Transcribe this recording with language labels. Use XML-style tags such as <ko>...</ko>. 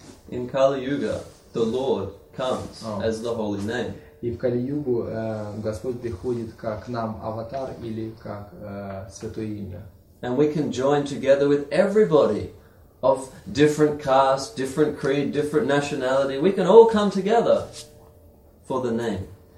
<en>in Kali Yuga, the Lord comes as the holy name.</en> <ru>И в Кали Югу Господь приходит как нам аватар или как святое имя.</ru> <en>And we can join together with everybody of different caste, different creed, different nationality. We can all come together for the name.</en>